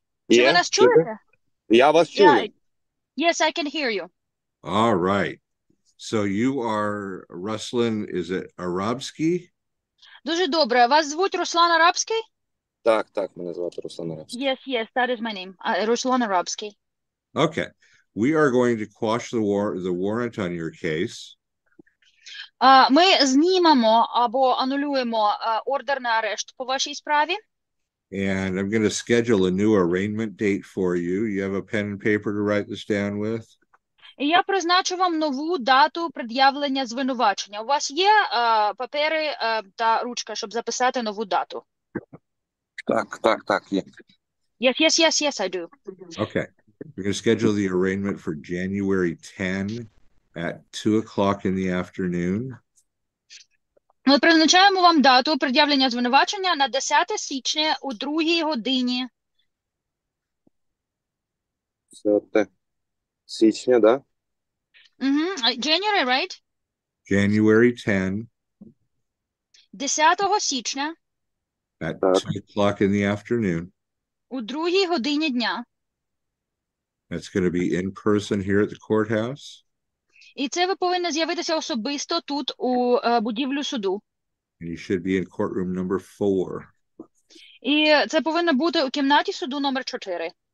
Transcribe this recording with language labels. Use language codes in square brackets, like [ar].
[uk] Чи ви нас чуєте? Я вас чую. [en] Yes, I can hear you. All right. So you are Ruslan, is it Arabsky? [uk] Дуже добре. Вас звуть Руслан Арабський? Так, так, мене звати Руслан Арабський. [en] Yes, yes, that is my name. Руслан Арабський. Okay. We are going to quash the warrant on your case. [uk] Ми знімемо або анулюємо ордер на арешт по вашій справі. [en] And I'm going to schedule a new arraignment date for you. You have a pen and paper to write this down with? [uk] І я призначу вам нову дату пред'явлення звинувачення. У вас є папери та ручка, щоб записати нову дату? Так, так, так, є. [en] Yes, yes, yes, yes, I do. Okay. We're going to schedule the arraignment for January 10 at 2 o'clock in the afternoon. [uk] Ми призначаємо вам дату пред'явлення звинувачення на 10 січня у 2 годині. Сьогодні. Січня, да? [en] January, right? January 10. [uk] 10 січня. [en] At 2 o'clock in the afternoon. [uk] У 2 годині дня. [en] That's going to be in person here at the courthouse. [uk] І це ви повинні з'явитися особисто тут у будівлю суду. [en] And you should be in courtroom number 4. [uk] І це повинно бути у кімнаті суду номер 4.